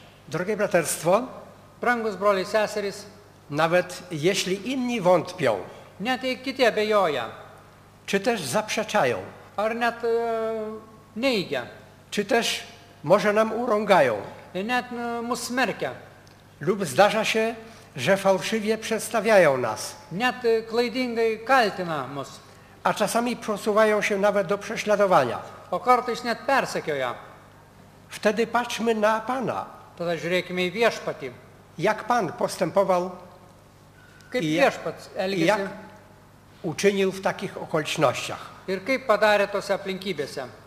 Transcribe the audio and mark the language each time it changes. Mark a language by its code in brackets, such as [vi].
[pl] Drogie braterstwo, [lt] brangus broliai seserys, [pl] nawet jeśli inni wątpią, [lt] net jei kiti abejoja, [pl] czy też zaprzeczają, [lt] ar net neigia, [pl] czy też może nam urągają, [lt] net mus smerkia, [pl] lub zdarza się, że fałszywie przedstawiają nas, [lt] net klaidingai kaltina mus, [pl] a czasami posuwają się nawet do prześladowania, [lt] o kartais net persekioja, [pl] wtedy patrzmy na Pana, [lt] tada žiūrėkime į viešpatį, [pl] jak Pan postępował jak uczynił w takich okolicznościach? [lt] Ir kaip padarė tose aplinkybėse?